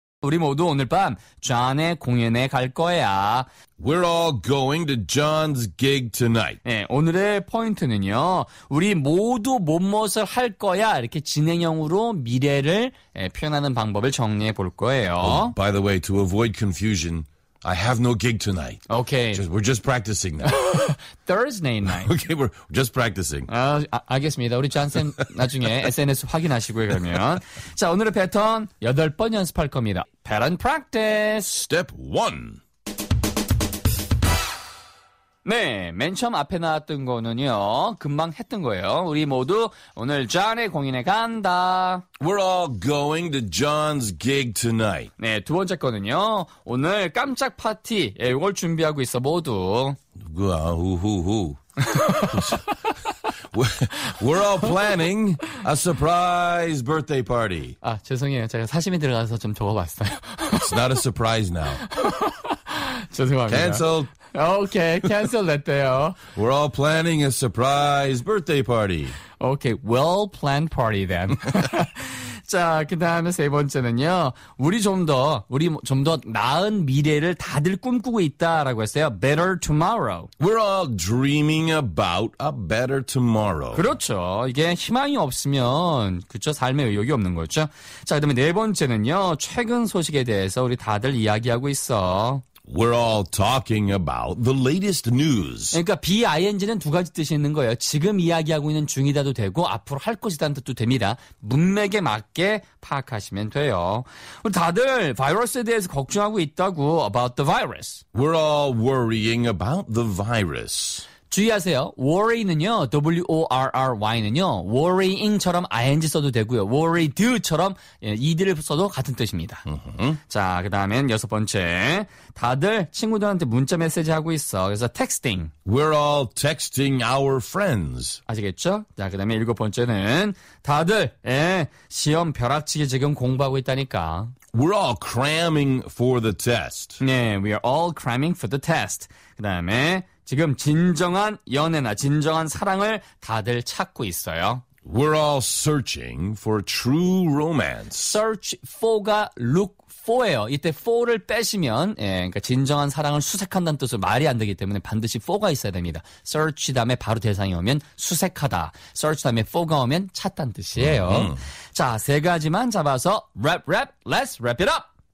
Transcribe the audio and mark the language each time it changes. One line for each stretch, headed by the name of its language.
Korean: 우리 모두 오늘 밤 존의 공연에 갈 거야.
English: We're all going to John's gig tonight.
Korean: 네, 오늘의 포인트는요. 우리 모두 무엇을 할 거야. 이렇게 진행형으로 미래를 표현하는 방법을 정리해 볼 거예요.
English: Oh, by the way, to avoid confusion, I have no gig tonight. Okay. We're just practicing now. Thursday night. Okay, we're just practicing.
Korean: 알겠습니다. 우리 존쌤 나중에 SNS 확인하시고요, 그러면. 자, 오늘의 패턴 8번 연습할 겁니다.
English: Pattern practice. Step 1.
Korean: 네, 맨 처음 앞에 나왔던 거는요. 금방 했던 거예요. 우리 모두 오늘 존의 공연에 간다.
English: We're all going to John's gig tonight.
Korean: 네, 두 번째 거는요. 오늘 깜짝 파티. 예, 이걸 준비하고 있어 모두. 누구야? 후후후.
English: We're all planning a surprise birthday party.
Korean: 아, 죄송해요. 제가 사심이 들어가서 좀 적어봤어요.
English: It's not a surprise now.
Korean: 죄송합니다.
English: Canceled. Okay,
Korean: cancel 됐대요.
English: We're all planning a surprise birthday party. Okay, well-planned party then.
Korean: 자, 그 다음에 세 번째는요. 우리 좀 더 나은 미래를 다들 꿈꾸고 있다라고 했어요.
English: Better tomorrow. We're all dreaming about a better tomorrow.
Korean: 그렇죠. 이게 희망이 없으면 그쵸, 삶의 의욕이 없는 거죠. 자, 그 다음에 네 번째는요. 최근 소식에 대해서 우리 다들 이야기하고 있어.
English: We're all talking about the latest news.
Korean: 그러니까 BING는 두 가지 뜻이 있는 거예요. 지금 이야기하고 있는 중이다도 되고 앞으로 할 것이다는 뜻도 됩니다. 문맥에 맞게 파악하시면 돼요. 우리 다들 바이러스에 대해서 걱정하고 있다고.
English: About the virus. We're all worrying about the virus.
Korean: 주의하세요. worry는요. W-O-R-R-Y는요. worrying처럼 ing 써도 되고요. worried처럼 ed를 써도 같은 뜻입니다. Uh-huh. 자, 그 다음엔 여섯 번째. 다들 친구들한테 문자 메시지 하고 있어. 그래서 texting.
English: We're all texting our friends.
Korean: 아시겠죠? 자, 그 다음에 일곱 번째는 다들 시험 벼락치기 지금 공부하고 있다니까.
English: We're all cramming for the test. 네, we are all cramming for the test.
Korean: 그 다음에 지금 진정한 연애나 진정한 사랑을 다들 찾고 있어요.
English: We're all searching for true romance.
Korean: Search for가 look for예요. 이때 for를 빼시면 예, 그러니까 진정한 사랑을 수색한다는 뜻으로 말이 안 되기 때문에 반드시 for가 있어야 됩니다. Search 다음에 바로 대상이 오면 수색하다. Search 다음에 for가 오면 찾다는 뜻이에요.
English: Mm-hmm.
Korean: 자, 세 가지만 잡아서 랩 랩
English: let's wrap it up.